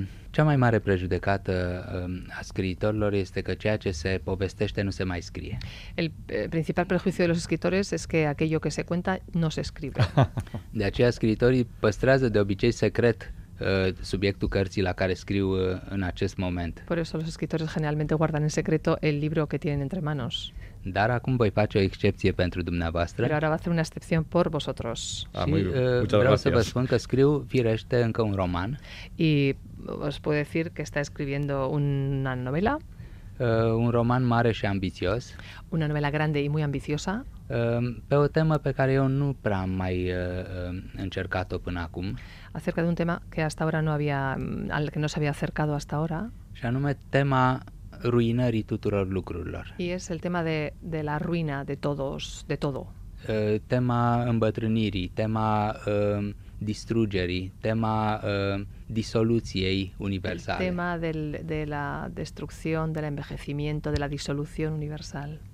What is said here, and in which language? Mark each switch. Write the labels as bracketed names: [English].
[Romanian] Cea mai mare prejudecată a scriitorilor este că ceea ce se povestește nu se mai scrie. [Spanish] El principal prejuicio de los escritores es que aquello que se cuenta no se escribe. [Romanian] De aceea scriitorii păstrează de obicei secret subiectul cărții la care scriu în acest moment. [Spanish] Por eso los escritores generalmente guardan en secreto el libro que tienen entre manos. [Romanian] Dar acum voy face o excepție pentru dumneavoastră. [Spanish] Pero ahora va a hacer una excepción por vosotros. [Romanian] Vreau să vă spun că scriu firește încă un roman. [Spanish] Y os puedo decir que está escribiendo una novela. [Romanian] Un roman mare și ambițios. [Spanish] Una novela grande y muy ambiciosa. [Romanian] Pe o temă pe care eu nu prea am mai încercat-o până acum. [Spanish] Acerca de un tema que hasta ahora no había, al que no se había acercado hasta ahora. [Romanian] Și anume tema ruinării tuturor lucrurilor. [Spanish] Y es el tema de la ruina de todos, de todo. [Romanian] Tema îmbătrânirii, tema distrugerii, tema disoluției universale. [Spanish] El tema de la destrucción, del envejecimiento, de la disolución universal.